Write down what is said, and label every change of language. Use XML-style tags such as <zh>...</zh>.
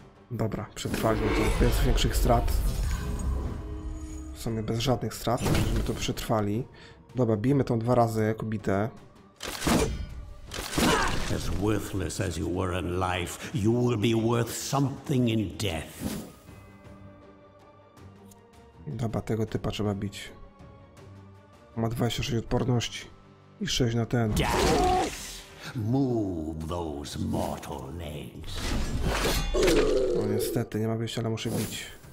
<pl>Dobra, przetrwaliśmy to bez większych strat. W sumie bez żadnych strat, żeśmy to przetrwali. Dobra, bijmy tą dwa razy jako bite.</pl> <en>As worthless as you were in life, you will be worth something in death.</en> <pl>Dobra, tego typa trzeba bić. Ma 26 odporności i 6 na ten.</pl> <en>Move those mortal legs.</en> <pl>No niestety, nie ma wyjścia, ale muszę bić.</pl>